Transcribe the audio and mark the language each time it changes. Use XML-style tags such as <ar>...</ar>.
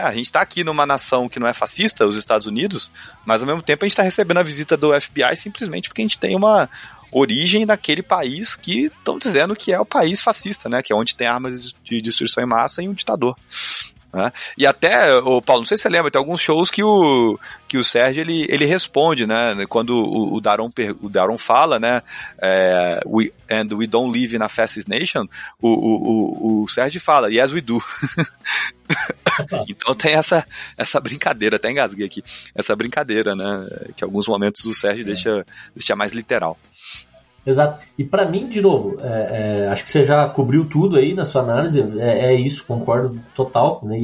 <pt>A gente está aqui numa nação que não é fascista, os Estados Unidos, mas ao mesmo tempo a gente está recebendo a visita do FBI simplesmente porque a gente tem uma origem daquele país que estão dizendo que é o país fascista, né? Que é onde tem armas de destruição em massa e um ditador. Né? E até, o Paulo, não sei se você lembra, tem alguns shows que o Sérgio ele responde, né? Quando o Daron fala, né?</pt> <en>And we don't live in a fascist nation,</en> <pt>o Sérgio fala,</pt> <en>yes we do.</en> <pt>Então tem essa brincadeira, até engasguei aqui, essa brincadeira, né? Que em alguns momentos o Sérgio deixa mais literal. Exato. E para mim, de novo, acho que você já cobriu tudo aí na sua análise, é isso, concordo total, né?</pt>